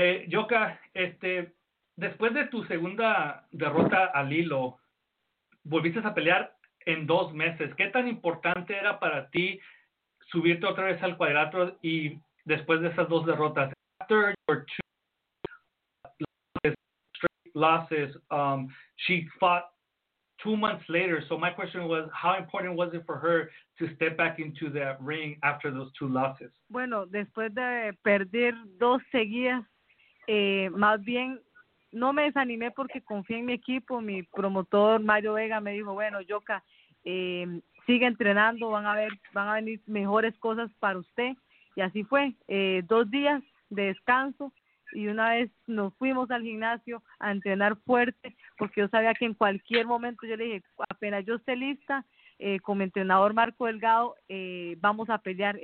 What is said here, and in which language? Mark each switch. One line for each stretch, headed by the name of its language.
Spanish: Joka, después de tu segunda derrota al hilo, volviste a pelear en dos meses. ¿Qué tan importante era para ti subirte otra vez al cuadrilátero y después de esas dos derrotas?
English: After your two losses, she fought 2 months later. So my question was, how important was it for her to step back into the ring after those two losses?
Spanish: Bueno, después de perder dos seguidas, más bien, no me desanimé porque confié en mi equipo. Mi promotor Mario Vega me dijo, bueno, Joka, sigue entrenando, van a venir mejores cosas para usted. Y así fue, dos días de descanso y una vez nos fuimos al gimnasio a entrenar fuerte porque yo sabía que en cualquier momento, yo le dije, apenas yo esté lista, con mi entrenador Marco Delgado, vamos a pelear.